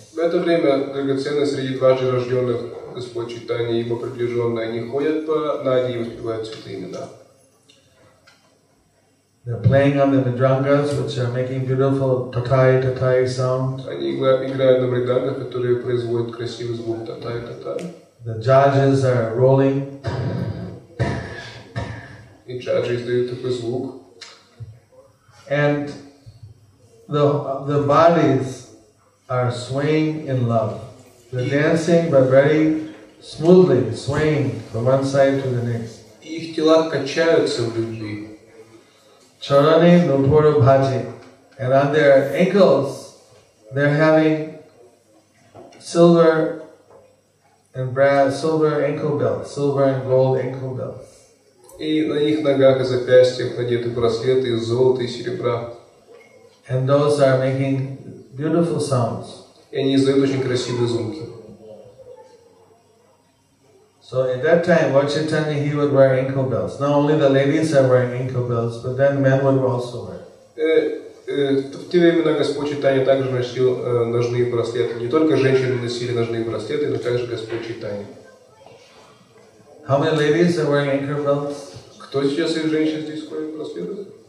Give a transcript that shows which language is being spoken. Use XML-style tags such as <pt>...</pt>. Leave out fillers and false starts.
<ru>В это время драгоценные среди дважды рожденных Господь Чайтанья и его приближенные, они ходят по Нади и воспевают святые имена.</ru> <en>They're playing on the mridangas, which are making beautiful tatai tatai sound.</en> <ru>Они играют на мридангах, которые производят красивый звук татай татай.</ru> <en>The judges are rolling. The judges do the pasuk. And the bodies are swaying in love. They're dancing, but very smoothly swaying from one side to the next.</en> <ru>Их тела качаются в любви.</ru> <bn>Charane nupura bhaje,</bn> <en>and on their ankles, they're having silver ankle belts, silver and gold ankle belts.</en> <ru>И на их ногах и запястьях надеты браслеты из золота и серебра.</ru> <en>And those are making beautiful sounds.</en> <ru>И они издают очень красивые звуки.</ru> <en>So at that time, Lord Chaitanya, he would wear ankle belts. Not only the ladies are wearing ankle belts, but then men would also wear.</en> <ru>В те времена Господь Чайтанья также носил ножные браслеты. Не только женщины носили ножные браслеты, но также Господь Чайтанья.</ru> <en>How many ladies are wearing ankle belts?</en> <ru>Кто сейчас из женщин здесь ходит браслеты?</ru>